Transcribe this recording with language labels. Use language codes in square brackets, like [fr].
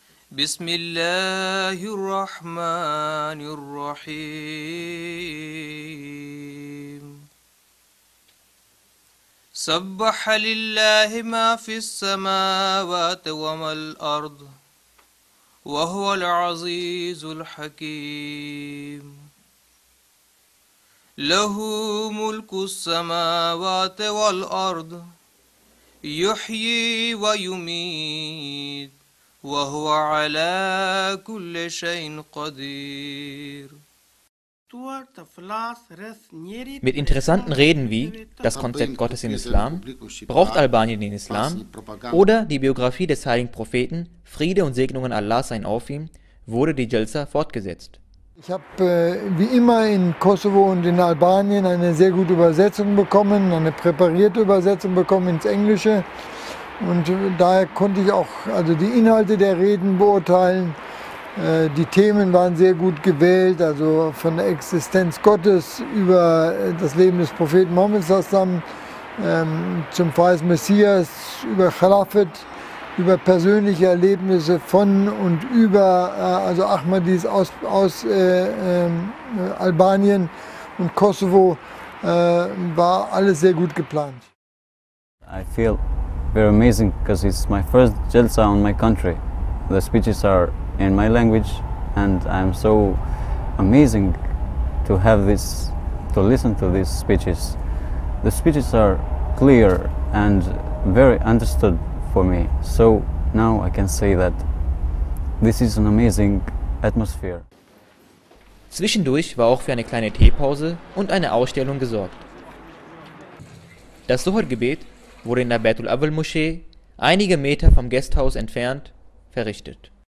[ar] بسم الله الرحمن الرحيم سبح لله ما في السماوات وما الأرض وهو العزيز الحكيم له ملك السماوات والأرض يحيي ويميت وهو على كل شيء قدير. [de] Mit interessanten Reden wie das Konzept Gottes im Islam, braucht Albanien den Islam oder die Biografie des heiligen Propheten, Friede und Segnungen Allahs seien auf ihm, wurde die Jalsa fortgesetzt. Ich habe wie immer in Kosovo und in Albanien eine sehr gute Übersetzung bekommen, eine präparierte Übersetzung bekommen ins Englische. Und daher konnte ich auch also die Inhalte der Reden beurteilen. Die Themen waren sehr gut gewählt, also von der Existenz Gottes über das Leben des Propheten Mohammed Sassam zum falschen Messias, über Khalafat, über persönliche Erlebnisse von und über also Ahmadis aus Albanien und Kosovo war alles sehr gut geplant. [en] I feel very amazing because it's my first Jalsa on my country. The speeches are in my language, and I'm so amazing to have this, to listen to these speeches. The speeches are clear and very understood for me. So now I can say that this is an amazing atmosphere. [de] Zwischendurch war auch für eine kleine Teepause und eine Ausstellung gesorgt. Das Suhr-Gebet wurde in der Baitul Awwal Moschee, einige Meter vom Gasthaus entfernt, verrichtet.